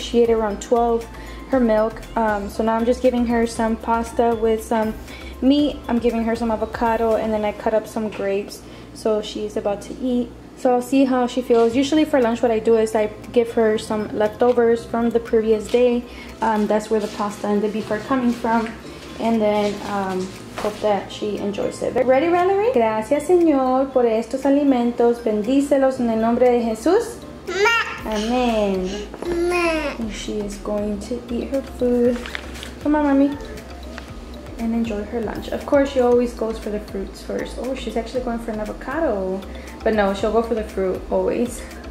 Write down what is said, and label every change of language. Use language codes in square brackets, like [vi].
[en] She ate around 12, her milk. So now I'm just giving her some pasta with some meat. I'm giving her some avocado, and then I cut up some grapes. So she's about to eat. So I'll see how she feels. Usually for lunch, what I do is I give her some leftovers from the previous day. That's where the pasta and the beef are coming from. And then hope that she enjoys it. Ready, Valerie? [es] Gracias, Señor, por estos alimentos. Bendícelos en el nombre de Jesús. [en] Amen. She is going to eat her food. Come on, mommy. And enjoy her lunch. Of course, she always goes for the fruits first. Oh, she's actually going for an avocado. But no, she'll go for the fruit always.